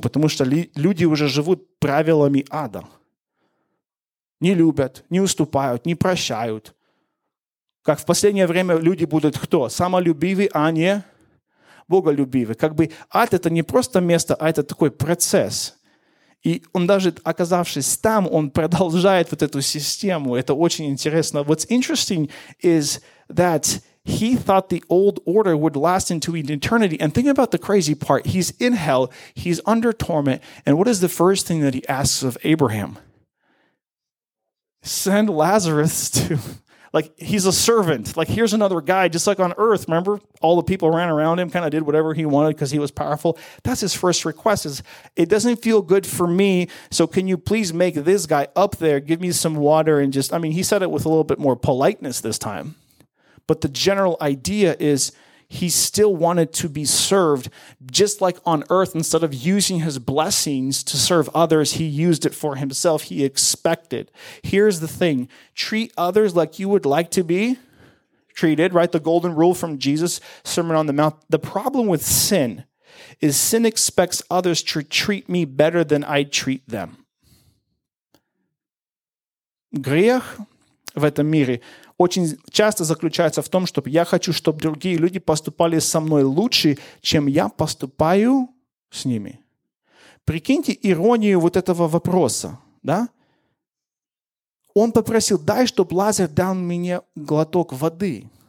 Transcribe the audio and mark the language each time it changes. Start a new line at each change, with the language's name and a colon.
Russian: Потому что люди уже живут правилами ада. Не любят, не уступают, не прощают. Как в последнее время люди будут кто? Самолюбивы, а не боголюбивы. Как бы ад – это не просто место, а это такой процесс. И он даже оказавшись там, он продолжает вот эту систему. Это очень интересно.
English: What's interesting is that he thought the old order would last into eternity. And think about the crazy part. He's in hell. He's under torment. And what is the first thing that he asks of Abraham? Send Lazarus to... Like, he's a servant. Like, here's another guy, just like on earth. Remember, all the people ran around him, kind of did whatever he wanted because he was powerful. That's his first request is, it doesn't feel good for me, so can you please make this guy up there, give me some water, and just, I mean, he said it with a little bit more politeness this time. But the general idea is he still wanted to be served, just like on earth, instead of using his blessings to serve others, he used it for himself. He expected. Here's the thing. Treat others like you would like to be treated, right? The golden rule from Jesus' Sermon on the Mount. The problem with sin is sin expects others to treat me better than I treat them.
Russian: Грех в этом мире очень часто заключается в том, что я хочу, чтобы другие люди поступали со мной лучше, чем я поступаю с ними. Прикиньте иронию вот этого вопроса, да? Он попросил, дай, чтобы Лазарь дал мне глоток воды.